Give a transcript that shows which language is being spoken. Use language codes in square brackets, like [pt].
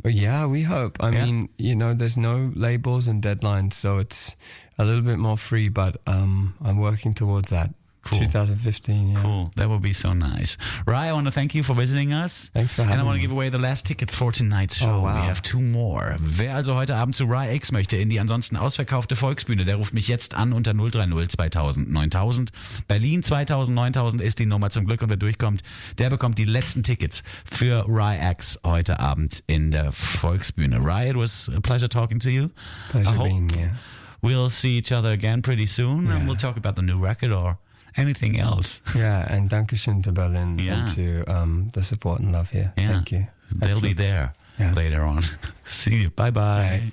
[en] Yeah, we hope. I mean, you know, there's no labels and deadlines, so it's a little bit more free, but I'm working towards that. Cool. 2015, yeah. Cool. That would be so nice. Ry, I want to thank you for visiting us. Thanks for having me. And I want to me. Give away the last tickets for tonight's show. Oh, wow. We have two more. [de] Wer also heute Abend zu Ry-X möchte in die ansonsten ausverkaufte Volksbühne, der ruft mich jetzt an unter 030 2000 9000. Berlin 2000 9000 ist die Nummer zum Glück. Und wer durchkommt, der bekommt die letzten Tickets für Ry-X heute Abend in der Volksbühne. [en] Ry, it was a pleasure talking to you. Pleasure being here. We'll see each other again pretty soon. Yeah. And we'll talk about the new record or anything else. Yeah, and Dankeschön to Berlin and to the support and love here. Yeah. Thank you. They'll be there later on. See you. Bye-bye.